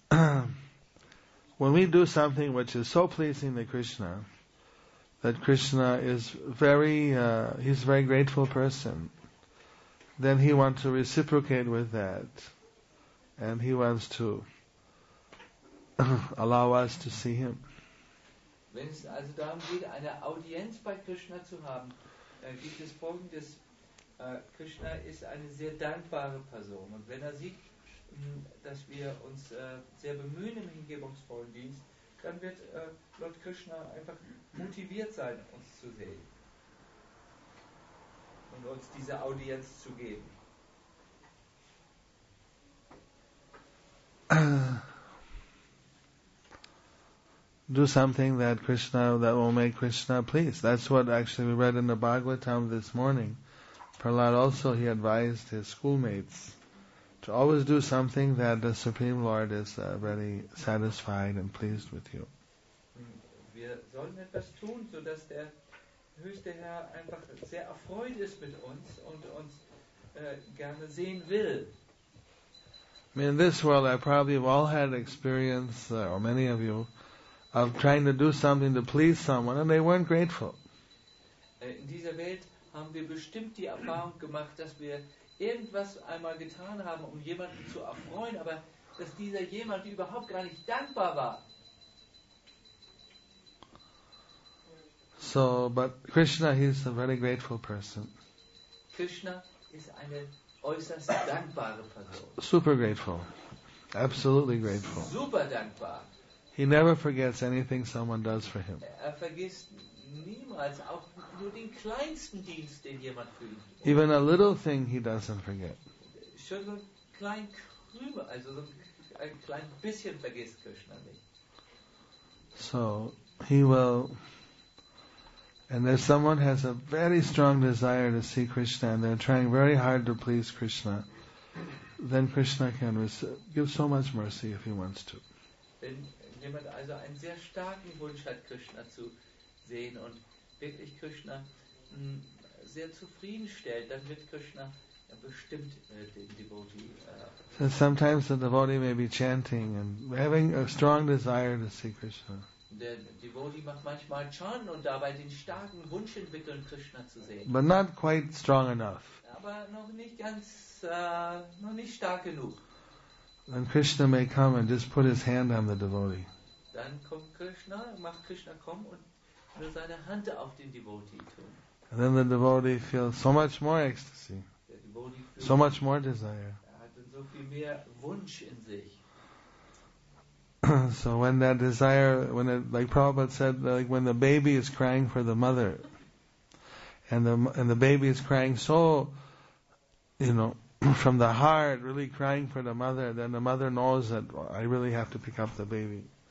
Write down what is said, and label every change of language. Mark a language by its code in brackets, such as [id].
[en] When we do something which is so pleasing to Krishna, that Krishna is he's a very grateful person, then he wants to reciprocate with that, and he wants to allow us to see him. [de] Wenn es also darum geht, eine Audienz bei Krishna zu haben, gibt es Folgendes. Krishna ist eine sehr dankbare Person. Und wenn sieht, dass wir uns sehr bemühen im hingebungsvollen Dienst, dann wird Lord Krishna einfach motiviert sein, uns zu sehen und uns diese Audienz zu geben. [en] Do something that Krishna, that will make Krishna pleased. That's what actually we read in the Bhagavatam this morning. Prahlad also, he advised his schoolmates to always do something that the Supreme Lord is very satisfied and pleased with you. [de] Wir sollen etwas tun, so dass der höchste Herr einfach sehr erfreut ist mit uns und uns gerne sehen will. [en] In this world, I probably have all had experience, or many of you, of trying to do something to please someone and they weren't grateful. [de] In dieser Welt haben wir bestimmt die Erfahrung gemacht, dass wir irgendwas einmal getan haben, um jemanden zu erfreuen, aber dass dieser jemand überhaupt gar nicht dankbar war. [en] So, but Krishna, he's a very grateful person. [de] Krishna ist eine äußerst dankbare Person. [en] Super grateful. Absolutely grateful. [de] Super dankbar. [en] He never forgets anything someone does for him. [de] Er vergisst niemals, auch nur den kleinsten Dienst, den jemand für ihn tut. [en] Even a little thing he doesn't forget. [de] Schon so ein klein Krümel, also so ein klein bisschen vergisst Krishna nicht. [en] So, he will. And if someone has a very strong desire to see Krishna and they're trying very hard to please Krishna, then Krishna can give so much mercy if he wants to. [de] Wenn jemand also einen sehr starken Wunsch hat, Krishna zu sehen und wirklich Krishna sehr zufriedenstellt, dann wird Krishna bestimmt den Devotee. [en] So sometimes the devotee may be chanting and having a strong desire to see Krishna. [de] Der Devotee macht manchmal Chan und dabei den starken Wunsch entwickeln, Krishna zu sehen. [en] But not quite strong enough. [de] Aber noch nicht ganz, noch nicht stark genug. [en] And Krishna may come and just put his hand on the devotee. [de] Dann kommt Krishna, macht Krishna kommen und will seine Hand auf den Devotee tun. [en] And then the devotee feels so much more ecstasy. [de] Der Devotee fühlt [en] so much more desire. [de] Er hat so viel mehr Wunsch in sich. [en] So when that desire, when it, like Prabhupada said, like when the baby is crying for the mother, and the baby is crying so, you know, from the heart, really crying for the mother, then the mother knows that, well, I really have to pick up the baby.